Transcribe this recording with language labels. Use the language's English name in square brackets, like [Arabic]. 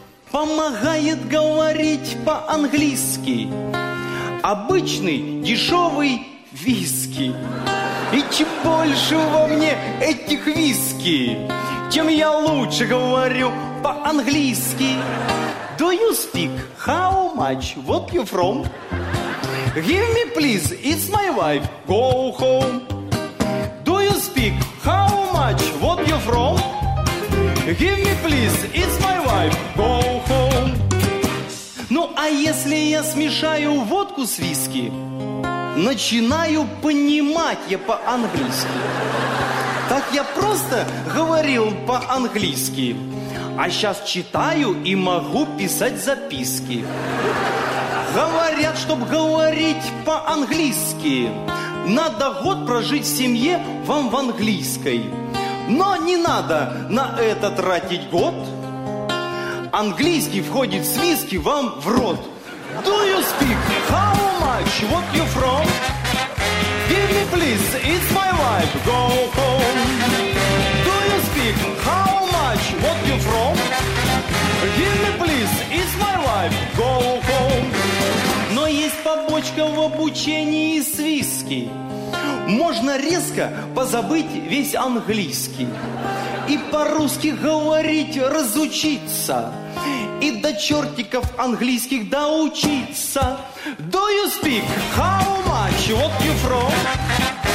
[Russian] Помогает говорить по-английски обычный дешевый виски. И чем больше во мне этих виски, тем я лучше говорю по-английски. [English] Do you speak how much? What you from? Give me please, it's my wife. Go home. Do you speak how much? What you from? Give me please, it's my wife. Go home. [Russian] Ну а если я смешаю водку с виски, начинаю понимать я по-английски. Так я просто говорил по-английски, а сейчас читаю и могу писать записки. Говорят, чтобы говорить по-английски, надо год прожить в семье вам в английской. Но не надо на это тратить год. Английский входит в виски вам в рот. [English] Do you speak how much? What you from? Give me please, it's my wife. Go home. Do you speak how much? What you from? Give me please, it's my wife. Go home. [Russian] Но есть побочка в обучении с виски. Можно резко позабыть весь английский и по-русски говорить разучиться и до чертиков английских доучиться. [English] Do you speak how much? What you from?